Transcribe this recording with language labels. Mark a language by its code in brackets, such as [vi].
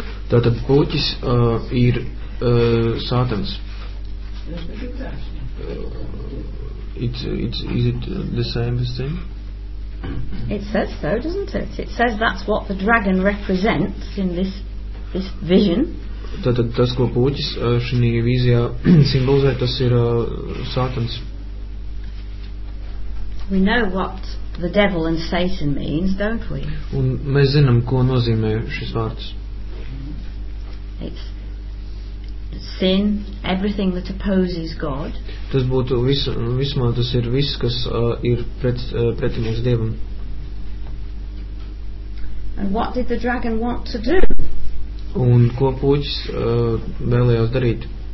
[lv] Tātad puķis ir Sātans. [en] Is it the same as thing? It says so, doesn't it? It says that's what the dragon represents in this vision. [lv] Tātad tas, ko puķis šī vīzijā simbolizē, tas ir Sātans. [en] We know what the devil and Satan means, don't we? [lv] Un mēs zinām, ko nozīmē šis vārds. [en] It's sin, everything that opposes God. [lv] Tas būtu vismā, tas ir viss, kas ir pretinieks Dievam. [en] And what did the dragon want to do? [lv] Un ko puķis vēlējās darīt?